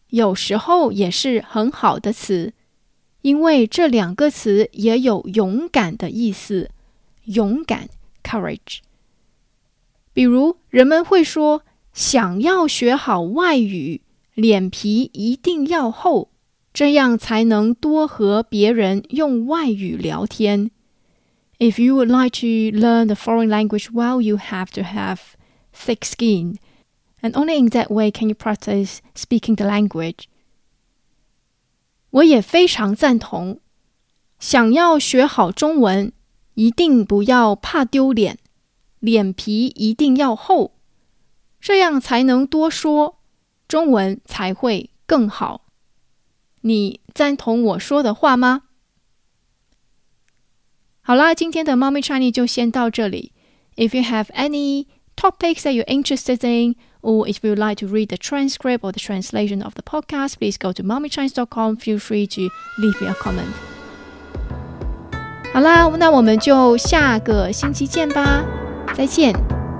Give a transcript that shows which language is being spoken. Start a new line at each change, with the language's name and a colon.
Chinese: 有时候也是很好的词，因为这两个词也有勇敢的意思，勇敢 courage。比如人们会说，想要学好外语，脸皮一定要厚，这样才能多和别人用外语聊天。
English: If you would like to learn the foreign language well, you have to have thick skin. And only in that way can you practice speaking the language.
Chinese: 我也非常赞同，想要学好中文，一定不要怕丢脸，脸皮一定要厚，这样才能多说，中文才会更好。你赞同我说的话吗？好啦，今天的 Mommy Chinese 就先到这里。
English: If you have any topics that you're interested in, or if you'd like to read the transcript or the translation of the podcast, please go to mommychinese.com. Feel free to leave me a comment.
Chinese: 好啦，那我们就下个星期见吧。再见。